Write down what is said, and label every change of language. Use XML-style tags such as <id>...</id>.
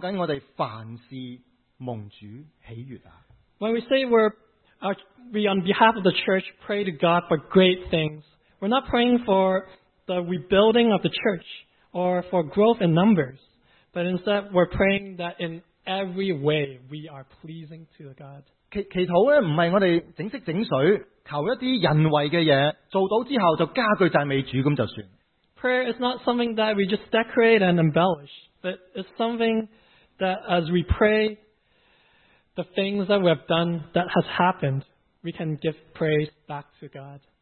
<zh>我们说,为教会向神求大事,不是说,在隔壁的屋,不是说人数飙升,而是说我们凡事蒙主喜悦。</zh> <en>When we say we on behalf of the church pray to God for great things, we're not praying for the rebuilding of the church or for growth in numbers, but instead we're praying that in every way we are pleasing to God.</en> <zh>祈祷不是我们整色整水求一些人为的东西做到之后就加句赞美主那就算。</zh> <en>Prayer is not something that we just decorate and embellish, but it's something that as we pray the things that we have done that has happened, we can give praise back to God.</en>